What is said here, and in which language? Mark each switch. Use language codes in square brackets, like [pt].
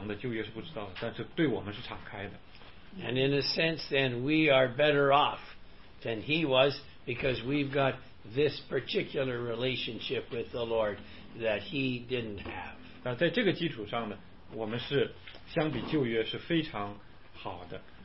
[zh] 在耶稣基督受死复活里得称义，借着我们的信心得称义的这么一个美妙奇妙的真理，它是隐藏的，旧约是不知道的，但是对我们是敞开的。 [en] And in a sense then we are better off than he was because we've got this particular relationship with the Lord that he didn't have. [zh] 那在这个基础上呢，我们是相比旧约是非常好的。